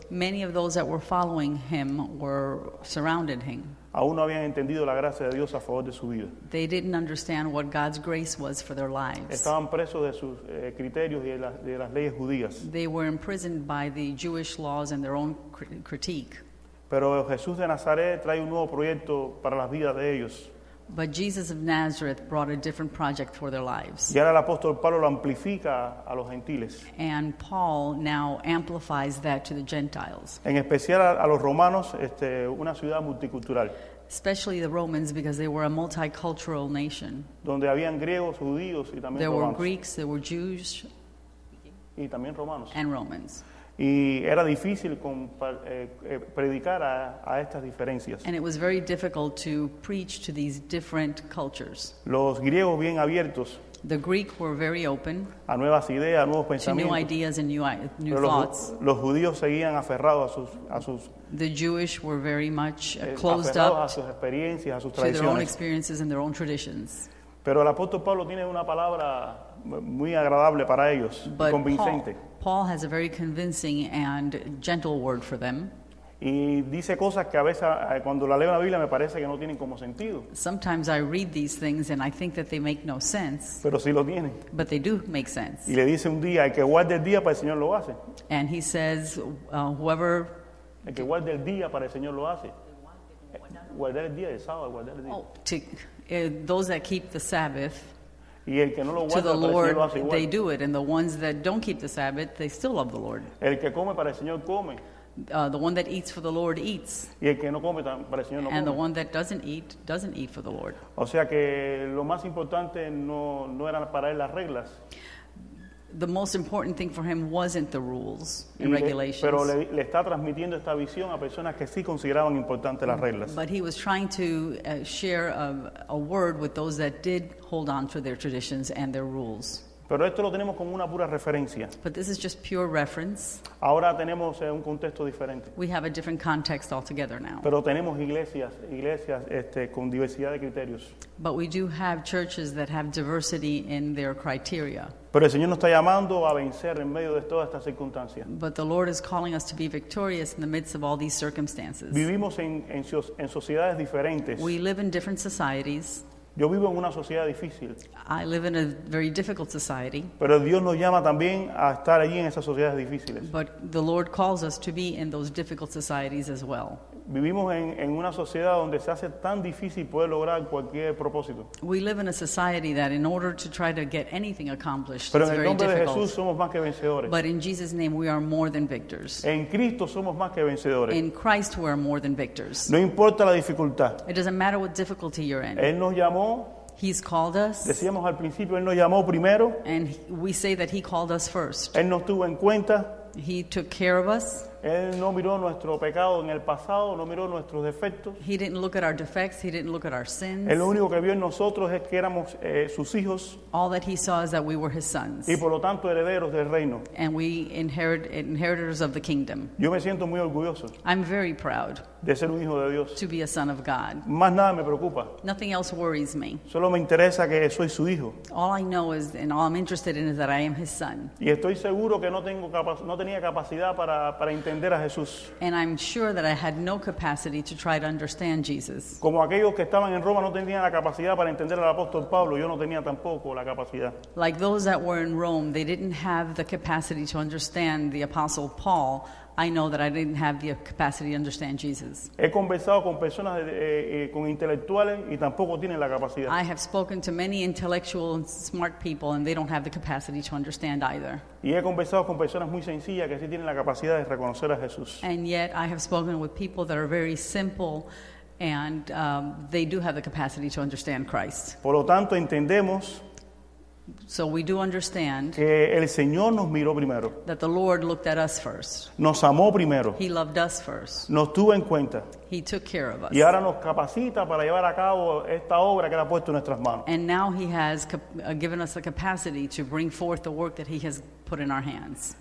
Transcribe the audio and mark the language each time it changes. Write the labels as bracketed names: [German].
[English] Many of those that were following him were surrounded him. [Spanish] Aún no habían entendido la gracia de Dios a favor de su vida. [English] They didn't understand what God's grace was for their lives. [Spanish] Estaban presos de sus criterios y de las leyes judías. [English] They were imprisoned by the Jewish laws and their own critique. [Spanish] Pero Jesús de Nazaret trae un nuevo proyecto para las vidas de ellos. [English] But Jesus of Nazareth brought a different project for their lives. [Spanish] Y ahora el apóstol Pablo lo amplifica a los gentiles. [English] And Paul now amplifies that to the Gentiles. [Spanish] En especial a los romanos, una ciudad multicultural. [English] Especially the Romans, because they were a multicultural nation. [Spanish] Donde habían griegos, judíos y también romanos. [English] There were Greeks, there were Jews. [Spanish] Y también romanos. [English] And Romans. [Spanish] Y era difícil predicar a estas diferencias. [English] And it was very difficult to preach to these different cultures. [Spanish] Los griegos bien abiertos. [English] The Greek were very open. [Spanish] A nuevas ideas, nuevos pensamientos. [English] To new ideas and new thoughts. [Spanish] Los judíos seguían aferrados a sus. [English] The Jewish were very much closed up. [Spanish] Aferrados a sus experiencias, a sus tradiciones. [English] To their own experiences and their own traditions. [Spanish] Pero el apóstol Pablo tiene una palabra muy agradable para ellos, [English] but [Spanish] convincente. [English] Paul has a very convincing and gentle word for them. [Spanish] Y dice cosas que a veces cuando la leo en la Biblia me parece que no tienen como sentido. [English] Sometimes I read these things and I think that they make no sense. [Spanish] Pero sí lo tienen. [English] But they do make sense. [Spanish] Y le dice un día, el que guarde el día para el Señor lo hace. [English] And he says, whoever... [Spanish] El que guarde el día para el Señor lo hace. Guardar el día de sábado, guardar el día. [English] Those that keep the Sabbath... [Spanish] Y el que no lo guarda, [English] to the Lord, [Spanish] para el Señor lo hace [English] they [Spanish] igual. [English] Do it. And the ones that don't keep the Sabbath, they still love the Lord. [Spanish] El que come para el Señor come. [English] The one that eats for the Lord eats. [Spanish] Y el que no come para el Señor no come. [English] And the one that doesn't eat for the Lord. [Spanish] O sea que lo más importante no eran para él las reglas. [English] The most important thing for him wasn't the rules and regulations. [Spanish] Pero le está transmitiendo esta visión a personas que sí consideraban importante las reglas. [English] But he was trying to share a word with those that did hold on to their traditions and their rules. [Spanish] Pero esto lo tenemos como una pura referencia. [English] But this is just pure reference. [Spanish] Ahora tenemos un contexto diferente. [English] We have a different context altogether now. [Spanish] Pero tenemos iglesias con diversidad de criterios. [English] But we do have churches that have diversity in their criteria. [Spanish] Pero el Señor nos está llamando a vencer en medio de todas estas circunstancias. [English] But the Lord is calling us to be victorious in the midst of all these circumstances. [Spanish] Vivimos en sociedades diferentes. [English] We live in different societies. [Spanish] Yo vivo en una sociedad difícil. [English] I live in a very difficult society. [Spanish] Pero Dios nos llama también a estar allí en esas sociedades difíciles. [English] But the Lord calls us to be in those difficult societies as well. [Spanish] Vivimos en una sociedad donde se hace tan difícil poder lograr cualquier propósito. [English] We live in a society that in order to try to get anything accomplished, [Spanish] pero en [English] it's [Spanish] el nombre [English] very [Spanish] de [English] difficult. [Spanish] Jesús somos más que vencedores. [English] But in Jesus' name we are more than victors. [Spanish] En Cristo somos más que vencedores. [English] In Christ we are more than victors. [Spanish] No importa la dificultad. [English] It doesn't matter what difficulty you're in. [Spanish] Él nos llamó. [English] He's called us. [Spanish] Decíamos al principio, Él nos llamó primero. [English] And we say that He called us first. [Spanish] Él nos tuvo en cuenta. [English] He took care of us. [Spanish] Él no miró nuestro pecado en el pasado, no miró nuestros defectos. [English] He didn't look at our defects, he didn't look at our sins. [Spanish] Él lo único que vio en nosotros es que éramos sus hijos. [English] All that he saw is that we were his sons. [Spanish] Y por lo tanto herederos del reino. [English] And we inheritors of the kingdom. [Spanish] Yo me siento muy orgulloso. [English] I'm very proud. [Spanish] De ser un hijo de Dios. [English] To be a son of God. [Spanish] Más nada me preocupa. [English] Nothing else worries me. [Spanish] Solo me interesa que soy su hijo. [English] All I know is and all I'm interested in is that I am his son. [Spanish] Y estoy seguro que no tenía capacidad para entender. [English] And I'm sure that I had no capacity to try to understand Jesus. [Spanish] Como aquellos que estaban en Roma no tenían la capacidad para entender al apóstol Pablo, yo no tenía tampoco la capacidad. [English] Like those that were in Rome, they didn't have the capacity to understand the apostle Paul. I know that I didn't have the capacity to understand Jesus. [Spanish] He conversado con personas con intelectuales y tampoco tienen la capacidad. [English] I have spoken to many intellectual and smart people and they don't have the capacity to understand either. [Spanish] Y he conversado con personas muy sencillas que sí tienen la capacidad de reconocer a Jesús. [English] And yet I have spoken with people that are very simple and they do have the capacity to understand Christ. [Spanish] Por lo tanto entendemos. [English] So we do understand [Spanish] que el Señor nos miró primero. [English] That the Lord looked at us first. [Spanish] Nos amó primero. [English] He loved us first. [Spanish] Nos tuvo en cuenta. [English] He took care of us. [Spanish] Y ahora nos capacita para llevar a cabo esta obra que él ha puesto en nuestras manos. [English] And now he has given us the capacity to bring forth the work that he has put in our hands.